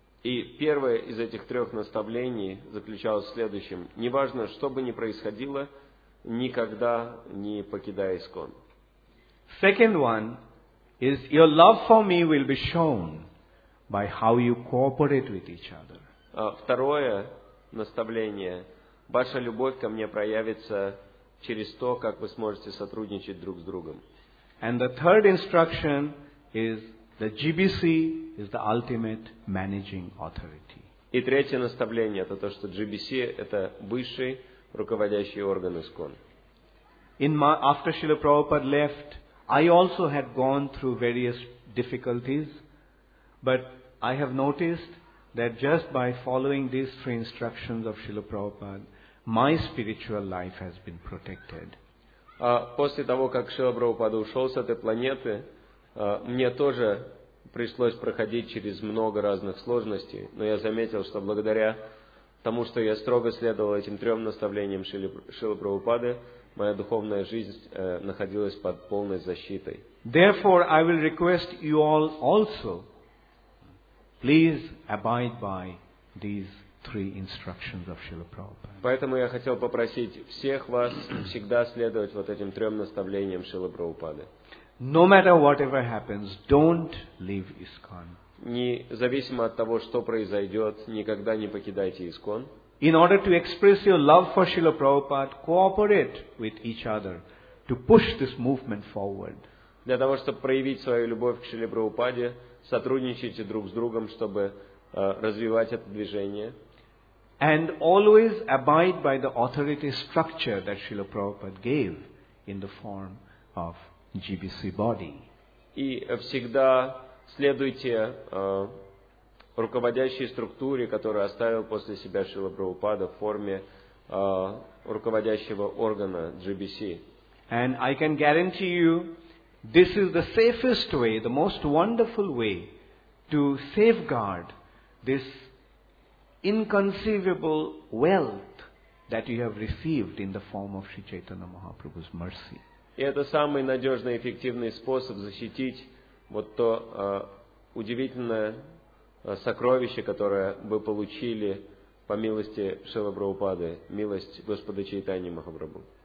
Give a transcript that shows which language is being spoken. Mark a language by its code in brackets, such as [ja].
[ru] И первое из этих трех наставлений заключалось в следующем. Неважно, что бы ни происходило, никогда не покидай ИСКОН. [en] Second one is your love for me will be shown by how you cooperate with each other. [ru] Второе наставление. Ваша любовь ко мне проявится через то, как вы сможете сотрудничать друг с другом. [en] And the third instruction is the GBC is the ultimate managing authority. [ru] И третье наставление это то, что GBC это высший руководящий орган ИСККОН. [en] After Srila Prabhupada left, I also had gone through various difficulties, but I have noticed that just by following these three instructions of Srila Prabhupada, my spiritual life has been protected. [ru] После того, как Шрила Прабхупада ушел с этой планеты, мне тоже пришлось проходить через много разных сложностей, но я заметил, что благодаря тому, что я строго следовал этим трем наставлениям Шрилы Прабхупады, моя духовная жизнь находилась под полной защитой. [en] Therefore, I will request you all also, please abide by these three instructions of Srila Prabhupada. [ru] Поэтому я хотел попросить всех вас всегда следовать вот этим трем наставлениям Шрилы Прабхупады. [en] No matter whatever happens, don't leave ISKCON. [ru] Независимо от того, что произойдет, никогда не покидайте ИСККОН. [en] In order to express your love for Srila Prabhupada, cooperate with each other to push this movement forward. [ru] Для того, чтобы проявить свою любовь к Шриле Прабхупаде, сотрудничайте друг с другом, чтобы развивать это движение. [en] And always abide by the authority structure that Srila Prabhupada gave in the form of GBC body. [ru] И всегда следуйте руководящей структуре, которую оставил после себя Шрила Прабхупада в форме руководящего органа GBC. [en] And I can guarantee you, this is the safest way, the most wonderful way to safeguard this inconceivable wealth that you have received in the form of Sri Chaitanya Mahaprabhu's mercy. [ru] И это самый надежный и эффективный способ защитить вот то удивительное сокровище, которое вы получили по милости Шрилы Прабхупады, милость Господа Чайтаньи Махапрабху.